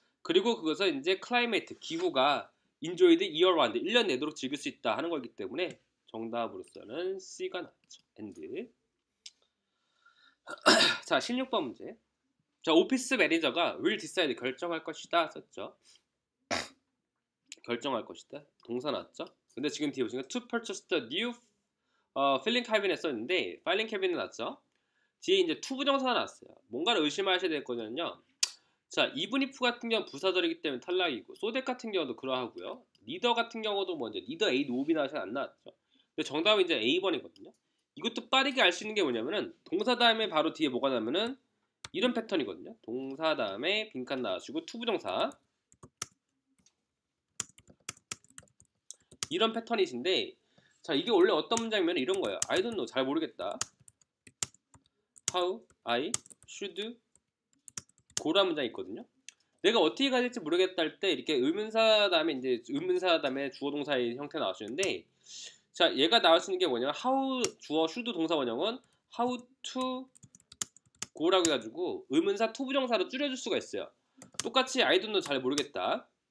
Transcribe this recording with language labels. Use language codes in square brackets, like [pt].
[ko] 그리고 그것은 이제 클라이메이트 기후가 인조이드 이어라운드 1년 내도록 즐길 수 있다 하는 거기 때문에 정답으로서는 C가 나왔죠. 엔드. 자 16번 문제 자 오피스 매니저가 [en] will decide [ko] 결정할 것이다 썼죠. 결정할 것이다 동사 나왔죠. 근데 지금 뒤에 보시니까 [en] to purchase the new filing cabin [ko] 했었는데 filing cabin 나왔죠. 뒤에 이제 to 부정사가 나왔어요. 뭔가를 의심하셔야 될 거는요. 자, even if 같은 경우는 부사절이기 때문에 탈락이고, so that 같은 경우도 그러하고요. neither 같은 경우도 먼저 뭐 [en] neither A nor B [ko] 나왔어요. 안 나왔죠. 근데 정답은 이제 A번이거든요. 이것도 빠르게 알 수 있는 게 뭐냐면은 동사 다음에 바로 뒤에 뭐가 나면은 이런 패턴이거든요. 동사 다음에 빈칸 나와주고 to 부정사 이런 패턴이신데, 자 이게 원래 어떤 문장이면 이런 거예요. [en] I don't know, [ko] 잘 모르겠다. [en] How I should go라는 [ko] 문장이 있거든요. 내가 어떻게 가야 될지 모르겠다 할 때 이렇게 의문사 다음에 이제 의문사 다음에 주어 동사의 형태 나와주는데, 자 얘가 나올 수 있는 게 뭐냐면 how 주어 should 동사 원형은 how to go라고 해가지고 의문사 to 부정사로 줄여줄 수가 있어요. 똑같이 [en] I don't know, [ko] 잘 모르겠다.